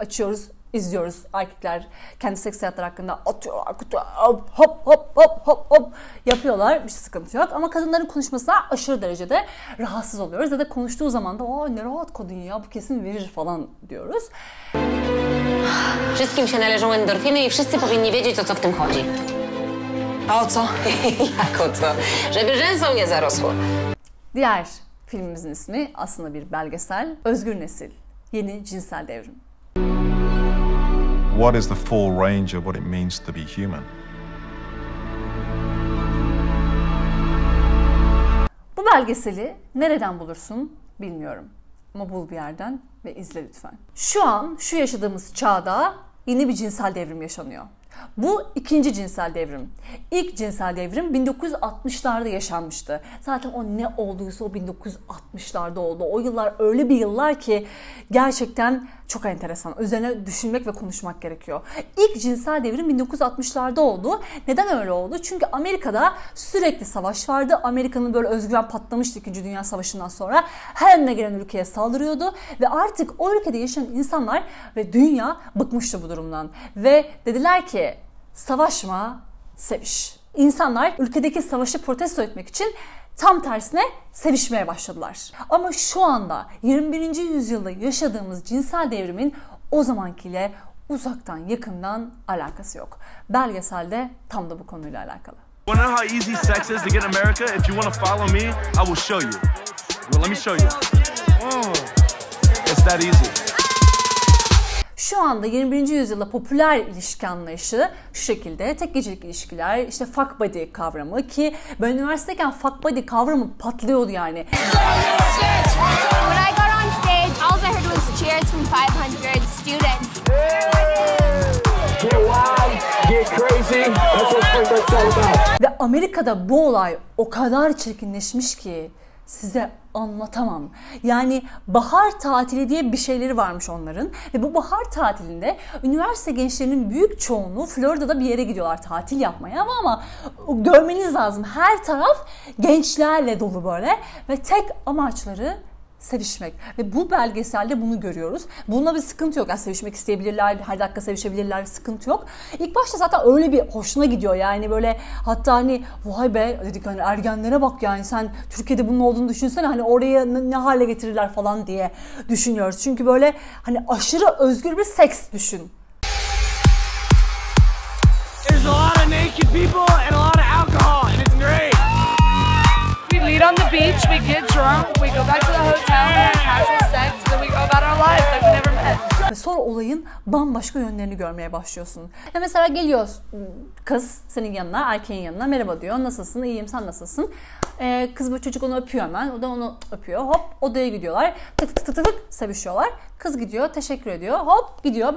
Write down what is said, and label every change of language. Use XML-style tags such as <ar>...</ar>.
<tr>Açıyoruz, izliyoruz. Erkekler kendi seks hayatları hakkında atıyorlar, hop hop hop hop hop hop yapıyorlar. Hiç sıkıntı yok. Ama kadınların konuşmasına aşırı derecede rahatsız oluyoruz. Ya da konuştuğu zaman da ne rahat kadın ya, bu kesin verir falan diyoruz.</tr> <pl>Wszystkim się należą endorfiny i wszyscy powinni wiedzieć, o co w tym chodzi. A o co? Jak o co? Żeby rzęsą nie zarosło.</pl> <tr>Diğer filmimizin ismi aslında bir belgesel. Özgür Nesil, Yeni Cinsel Devrim.</tr> <en>What is the full range of what it means to be human?</en> <tr>Bu belgeseli nereden bulursun bilmiyorum. Ama bul bir yerden ve izle lütfen. Şu an, şu yaşadığımız çağda yeni bir cinsel devrim yaşanıyor. Bu ikinci cinsel devrim. İlk cinsel devrim 1960'larda yaşanmıştı. Zaten o ne olduysa o 1960'larda oldu. O yıllar öyle bir yıllar ki gerçekten çok enteresan. Üzerine düşünmek ve konuşmak gerekiyor. İlk cinsel devrim 1960'larda oldu. Neden öyle oldu? Çünkü Amerika'da sürekli savaş vardı. Amerika'nın böyle özgüven patlamıştı 2. Dünya Savaşı'ndan sonra. Her önüne gelen ülkeye saldırıyordu. Ve artık o ülkede yaşayan insanlar ve dünya bıkmıştı bu durumdan. Ve dediler ki savaşma, seviş. İnsanlar ülkedeki savaşı protesto etmek için tam tersine sevişmeye başladılar. Ama şu anda 21. yüzyılda yaşadığımız cinsel devrimin o zamankiyle uzaktan yakından alakası yok. Belgeselde tam da bu konuyla alakalı.</tr> <en>You wanna know how easy sex is to get America? If you wanna follow me, I will show you. Well, let me show you. It's that easy.</en> <tr>Şu anda 21. yüzyılda popüler ilişki anlayışı şu şekilde: tek gecelik ilişkiler, işte fuck buddy kavramı, ki ben üniversitedeyken fuck buddy kavramı patlıyordu yani.</tr> <en>When I got on stage, all I heard was cheers from 500 students. Get wild, get crazy, that's what that's all about.</en> <tr>Ve Amerika'da bu olay o kadar çirkinleşmiş ki size anlatamam. Yani bahar tatili diye bir şeyleri varmış onların ve bu bahar tatilinde üniversite gençlerinin büyük çoğunluğu Florida'da bir yere gidiyorlar tatil yapmaya, ama görmeniz lazım, her taraf gençlerle dolu böyle ve tek amaçları sevişmek. Ve bu belgeselde bunu görüyoruz. Bununla bir sıkıntı yok. Yani sevişmek isteyebilirler, her dakika sevişebilirler, sıkıntı yok. İlk başta zaten öyle bir hoşuna gidiyor. Yani böyle hatta hani vay be dedik, hani ergenlere bak yani, sen Türkiye'de bunun olduğunu düşünsene, hani oraya ne hale getirirler falan diye düşünüyoruz. Çünkü böyle hani aşırı özgür bir seks düşün.</tr> <en>There's a lot of naked people and a lot of alcohol and it's great. We meet on the beach, we get drunk, we go back to the hotel, we have casual sex, then we go about our lives like we never met.</en> <tr>Ve sonra olayın bambaşka yönlerini görmeye başlıyorsun. Ya mesela geliyor kız senin yanına, erkeğin yanına, merhaba diyor. Nasılsın? İyiyim, sen nasılsın? Kız bu çocuk onu öpüyor hemen. O da onu öpüyor. Hop odaya gidiyorlar. Tık tık tık tık sevişiyorlar. Kız gidiyor, teşekkür ediyor. Hop gidiyor.</tr>